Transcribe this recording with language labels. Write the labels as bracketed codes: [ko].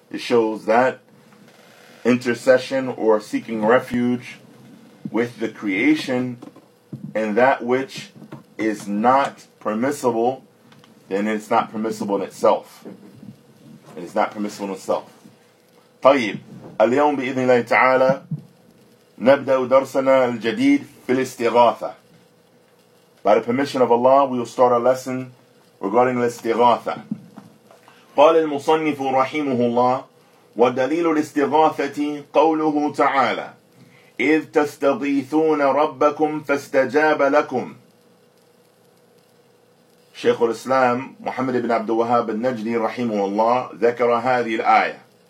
[en] It shows that intercession or seeking refuge with the creation and that which is not permissible, then it's not permissible in itself. It's not permissible in itself. [ar] طيب اليوم بإذن الله تعالى نبدأ درسنا الجديد في الاستغاثة. [en] By the permission of Allah, we will start a lesson regarding الاستغاثة. [ar] قال المصنف رحمه الله ودليل الاستغاثة قوله تعالى إذ تستغيثون ربكم فاستجاب لكم. شيخ الإسلام محمد بن عبد الوهاب النجدي رحمه الله ذكر هذه الآية